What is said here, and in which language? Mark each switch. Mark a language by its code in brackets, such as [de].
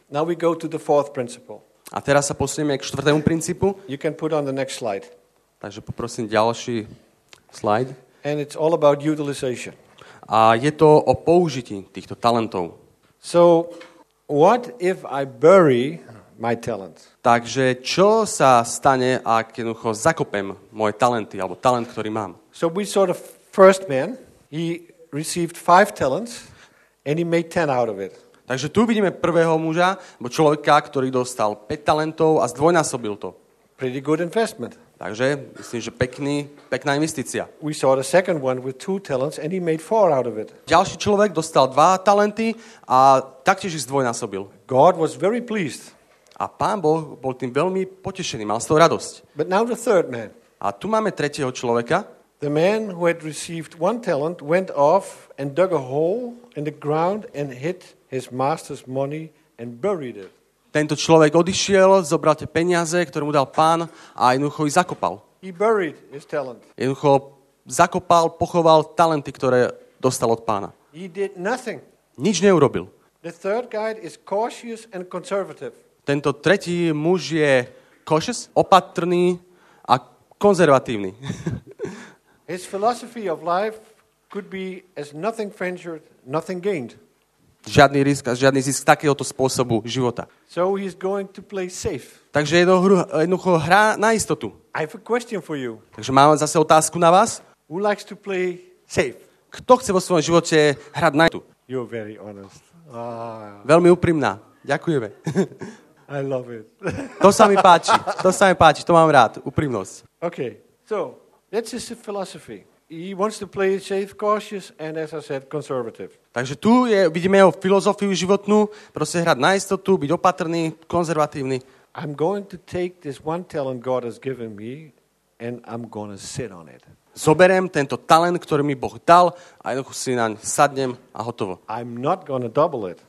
[en] Now we go to the fourth principle. [sk] A teraz sa posunieme k štvrtému princípu. [en] You can put on the next slide. [sk] Takže poprosím ďalší slide. [en] And it's all about utilization. [sk] A je to o použití týchto talentov. [en] So what if I bury my talent? [sk] Takže čo sa stane, ak jednoducho zakopem moje talenty alebo talent, ktorý mám? [en] So we saw the first man, he received 5 talents and he made 10 out of it. [sk] Takže tu vidíme prvého muža, bo človeka, ktorý dostal 5 talentov a zdvojnásobil to. [en] Pretty good investment. [sk] Takže myslím, že pekná investícia. [en] We saw the second one with 2 talents and he made 4 out of it. [sk] Ďalší človek dostal 2 talenty a taktiež ich zdvojnásobil. [en] God was very pleased. [sk] A Pán Boh bol tým veľmi potešený, mal z toho radosť. [en] But now the third man. [sk] A tu máme tretieho človeka. [en] The man who had received 1 talent went off and dug a hole in the ground and hid his master's money and buried it. [sk] Tento človek odišiel, zobral tie peniaze, ktoré mu dal pán a jednoducho ich zakopal. [en] He buried his talent. [sk] Jednoducho zakopal, pochoval talenty, ktoré dostal od pána. [en] He did nothing. [sk] Nič neurobil. [en] The third guy is cautious and conservative. [sk] Tento tretí muž je cautious, opatrný a konzervatívny. [en] His philosophy of life could be as nothing ventured, nothing gained. [sk] Žiadny risk a žiadny zisk takéhoto spôsobu života. [en] So he's going to play safe. [sk] Takže jednoducho hrá na istotu. [en] I have a question for you. [sk] Takže mám zase otázku na vás. [en] Who likes to play safe? [sk] Kto chce vo svojom živote hrať na istotu? [en] You're very honest. [sk] Veľmi úprimná. Ďakujeme. [en] I love it. [sk] To sa mi páči. To sa mi páči. To mám rád. Úprimnosť. [en] Okay. So, that's his philosophy. He wants to play safe, cautious and, as I said, conservative. [sk] Takže tu je, vidíme jeho filozofiu životnú, proste hrať na istotu, byť opatrný, konzervatívny. [en] I'm going to take this one talent God has given me and I'm going to sit on it. [sk] Zoberiem tento talent, ktorý mi Boh dal a jednoducho si naň sadnem a hotovo. [en] I'm not going to double it.